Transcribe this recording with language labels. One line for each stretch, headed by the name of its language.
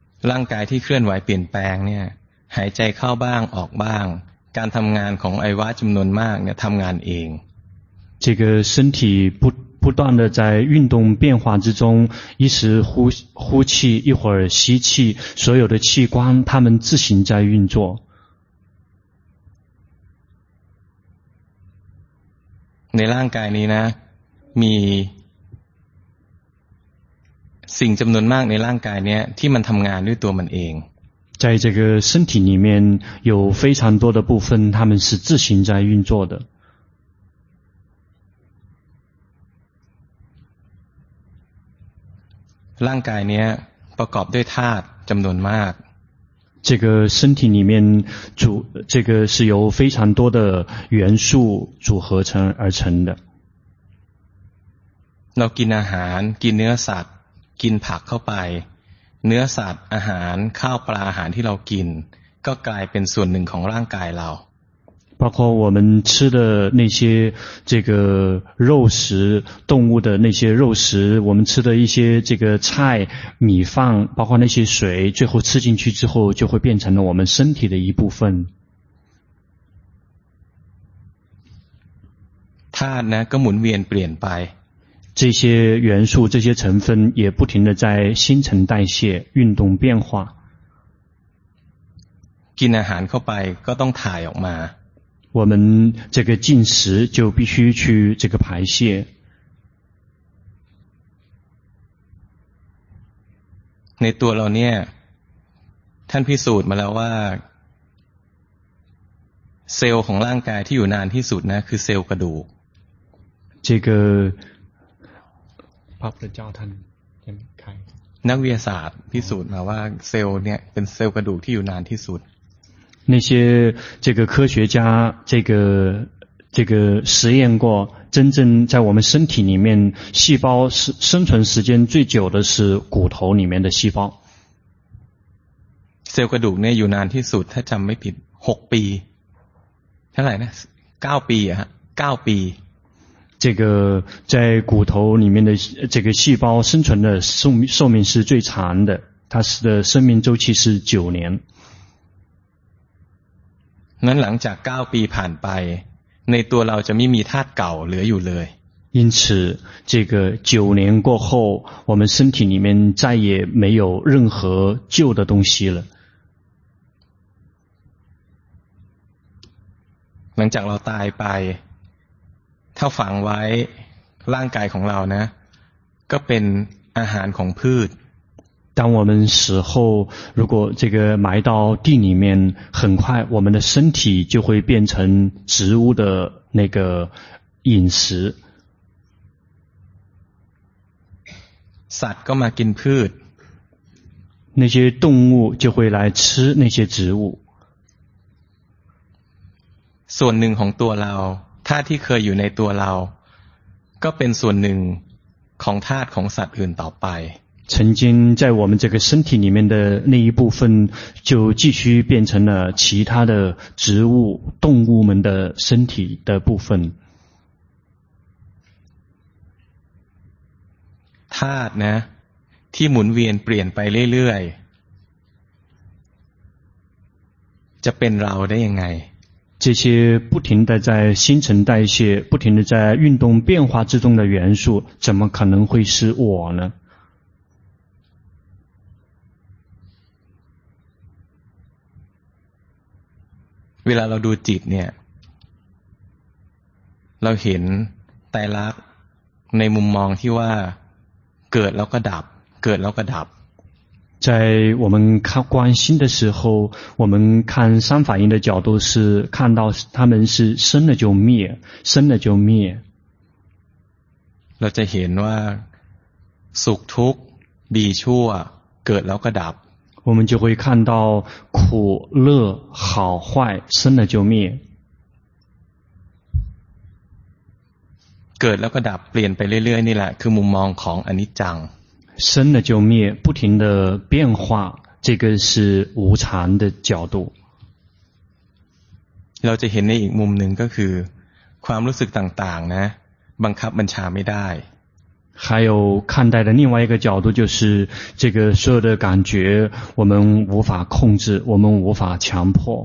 Thai: ร่างกายที่เคลื่อนไหวเปลี่ยนแปลงเนี่ยหายใจเข้าบ้างออกบ้างการทำงานของไอวะจำนวนมากเนี่ยทำงานเอง
Chinese: 这个身体不断的在运动变化之中一时呼气一会儿吸气所有的器官它们自行在运作
Thai: ในร่างกายนี้นะมีสิ่งจำนวนมากในร่างกายนี้ที่มันทำงานด้วยตัวมันเอง
Chinese: 在这个身体里面有非常多的部分它们是自行在运作的
Thai: ร่างกายนี้ประกอบด้วยธาตุจำนวนมาก
Chinese: 这个身体里面这个是由非常多的元素组合成而成的
Thai: เรากินอาหารกินเนื้อสัตว์กินผักเข้าไปเนื้อสัตว์อาหารข้าวปลาอาหารที่เรากินก็กลายเป็นส่วนหนึ่งของร่างกายเรา
Chinese: 包括我们吃的那些这个肉食，动物的那些肉食，我们吃的一些这个菜、米饭，包括那些水，最后吃进去之后，就会变成了我们身体的一部分。它呢，跟门面变白，这些元素、这些成分也不停的在新陈代谢、运动变化。
Thai: กินอาหารเข้าไปก็ต้องถ่ายออกมา
Chinese: 我们这个进食就必须去这个排泄。
Thai: ในตัวเราเนี่ยท่านพิสูจน์มาแล้วว่าเซลล์ของร่างกายที่อยู่นานที่สุดนะคือเซลล์กระดูก
Chinese: 这个
Thai: พระพุทธเจ้าท่านเป็นใ ครนักวิทยาศาสตร์พิสูจน์มาว่าเซลล์เนี่ยเป็นเซลล์กระดูกที่อยู่นานที่สุด
Chinese: 那些这个科学家这个实验过，真正在我们身体里面细胞生存时间最久的是骨头里面的细胞。
Thai: เซลล์กระดูกเนี่ยอยู่นานที่สุดถ้าจำไม่ผิด6ปีเท่าไหร่นะ9ปีอะฮะ9ปี
Chinese: 这个在骨头里面的这个细胞生存的寿命是最长的，它的生命周期是9年。
Thai: นั้นหลังจาก9ปีผ่านไปในตัวเราจะไม่มีธาตุเก่าเหลืออยู่เลย
Chinese: 因此这个9年过后我们身体里面再也没有任何旧的东西了
Thai: หลังจากเราตายไปถ้าฝังไว้ร่างกายของเรานะก็เป็นอาหารของพืช
Chinese: 当我们死后如果这个埋到地里面很快我们的身体就会变成植物的那个饮食
Thai: สัตว์ก็มากินพืช
Chinese: 那些动物就会来吃那些植物
Thai: ส่วนหนึ่งของตัวเราธาตุที่เคยอยู่ในตัวเราก็เป็นส่วนหนึ่งของธาตุของสัตว์อื่นต่อไป
Chinese: 曾经在我们这个身体里面的那一部分就继续变成了其他的植物动物们的身体的部分
Thai: ธาตุนะที่หมุนเวียนเปลี่ยนไปเรื่อยๆจะเป็นเราได้ยังไง
Chinese: 这些不停的在新陈代谢不停的在运动变化之中的元素怎么可能会是我呢
Thai: เวลาเราดูจิตเนี่ยเราเห็นไตรลักษณ์ในมุมมองที่ว่าเกิดแล้วก็ดับเกิดแล้วก็ดับ
Chinese: 在我们看观心的时候我们看三法印的角度是看到他们是生了就灭生了就灭
Thai: เราจะเห็นว่าสุขทุกข์ดีชั่วเกิดแล้วก็ดับ
Chinese: 我们就会看到苦乐好坏生了就灭
Thai: เกิดแล้วก็ดับเปลี่ยนไปเรื่อยๆนี่แหละคือมุมมองของอนิจจัง
Chinese: 生了就灭不停的变化这个是无常的角度
Thai: เราจะเห็นในอีกมุมหนึ่งก็คือความรู้สึกต่างๆนะบังคับบัญชาไม่ได้
Chinese: 还有看待的另外一个角度就是这个所有的感觉我们无法控制我们无法强迫